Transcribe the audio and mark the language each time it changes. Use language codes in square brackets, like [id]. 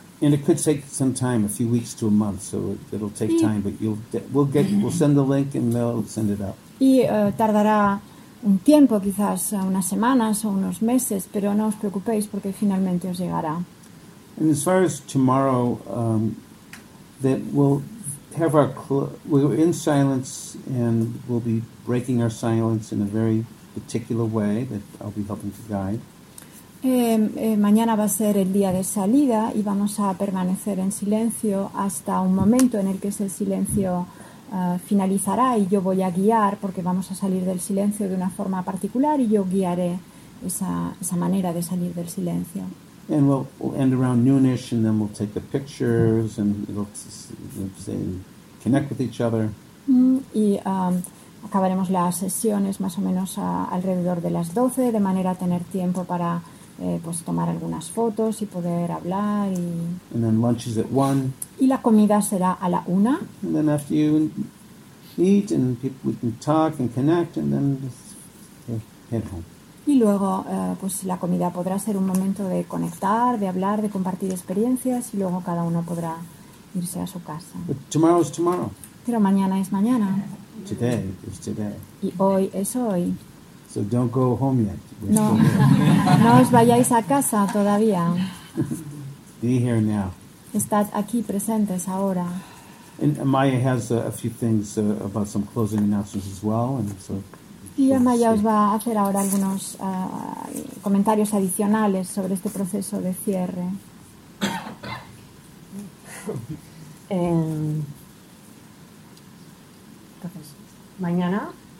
[en] And it could take some time, a few weeks to a month, so it'll take time, but we'll send the link and they'll send it out. [es] Y tardará un tiempo, quizás unas semanas o unos meses, pero no os preocupéis porque finalmente os llegará. [en] And as far as tomorrow, that we'll have our we're in silence and we'll be breaking our silence in a very particular way that I'll be helping to guide. [es] Mañana va a ser el día de salida y vamos a permanecer en silencio hasta un momento en el que ese silencio finalizará y yo voy a guiar, porque vamos a salir del silencio de una forma particular y yo guiaré esa manera de salir del silencio. [en] And we'll end around noonish and then we'll take the pictures and it'll say connect with each other. [es] Y acabaremos las sesiones más o menos alrededor de las 12, de manera a tener tiempo para pues tomar algunas fotos y poder hablar. Y [en] and then lunch is at 1. [es] Y la comida será a la 1. [en] And then after you eat and people, we can talk and connect and then just head home. [es] Y luego pues la comida podrá ser un momento de conectar, de hablar, de compartir experiencias y luego cada uno podrá irse a su casa. [en] But tomorrow is tomorrow. [es] Pero mañana es mañana. [en] Today is today. [es] Y hoy es hoy. [en] So don't go home yet. [es] No. No os vayáis a casa todavía. [en] Be here now. [es] Estad aquí presentes ahora. [en] And Maya has a few things about some closing announcements as well, and so. [es] Y Amaya os va a hacer ahora algunos comentarios adicionales sobre este proceso de cierre. Entonces, mañana